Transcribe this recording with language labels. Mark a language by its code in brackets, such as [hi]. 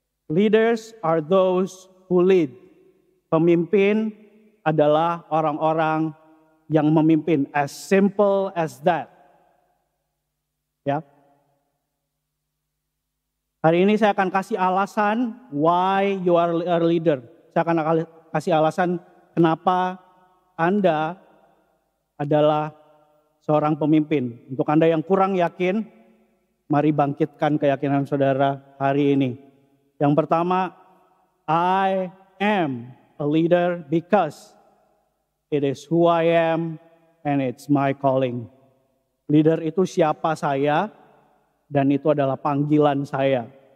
[en] Leaders are those who lead. [id] Pemimpin adalah orang-orang yang memimpin. [en] As simple as that. Ya. [id] Hari ini saya akan kasih alasan [en] why you are a leader. [id] Saya akan kasih alasan kenapa Anda adalah seorang pemimpin. Untuk Anda yang kurang yakin, mari bangkitkan keyakinan saudara hari ini. Yang pertama, [en] I am a leader because it is who I am and it's my calling. [id] Leader itu siapa saya dan itu adalah panggilan saya.